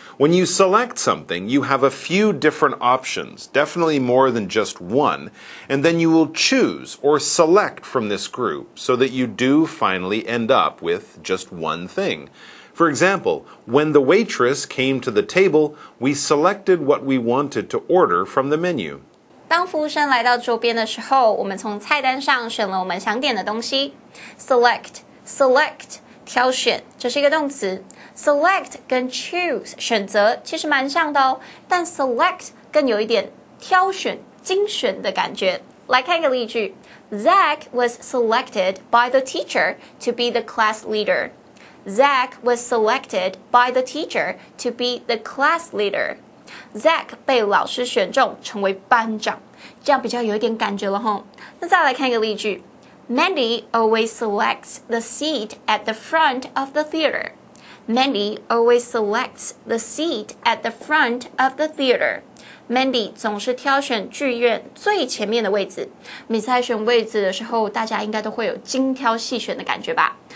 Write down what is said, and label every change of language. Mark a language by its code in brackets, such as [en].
[en] When you select something, you have a few different options, definitely more than just one, and then you will choose or select from this group so that you do finally end up with just one thing. For example, when the waitress came to the table, we selected what we wanted to order from the menu. [zh] 当服务生来到桌边的时候，我们从菜单上选了我们想点的东西。 Select, select, 挑选，这是一个动词。 Select 跟 choose, 选择，其实蛮像的哦，但 select 更有一点挑选、精选的感觉。来看一个例句。 [en] Zach was selected by the teacher to be the class leader. Zach was selected by the teacher to be the class leader. [zh] Zach 被老师选中成为班长，这样比较有一点感觉了吼。那再来看一个例句 [en] ，Mandy always selects the seat at the front of the theater. Mandy always selects the seat at the front of the theater. [zh] Mandy 总是挑选剧院最前面的位置。每次在选位置的时候，大家应该都会有精挑细选的感觉吧？